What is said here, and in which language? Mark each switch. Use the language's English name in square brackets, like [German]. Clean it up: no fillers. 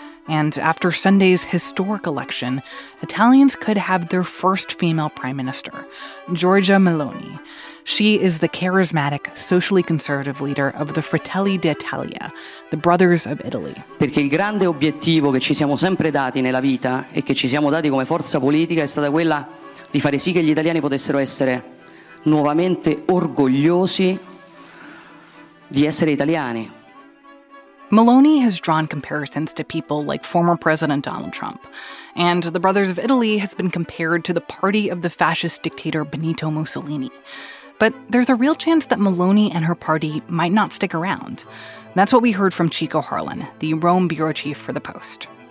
[English] And after Sunday's historic election, Italians could have their first female prime minister, Giorgia Meloni. She is the charismatic, socially conservative leader of the Fratelli d'Italia, the Brothers of Italy. [Italian] Perché il grande obiettivo che ci siamo sempre dati nella vita e che ci siamo dati come forza politica è stata quella di fare sì che gli italiani potessero essere nuovamente orgogliosi di essere italiani. [English] Meloni has drawn comparisons to people like former President Donald Trump, and the Brothers of Italy has been compared to the party of the fascist dictator Benito Mussolini. But there's a real chance that Meloni and her party might not stick around. That's what we heard from Chico Harlan, the Rome bureau chief for The Post.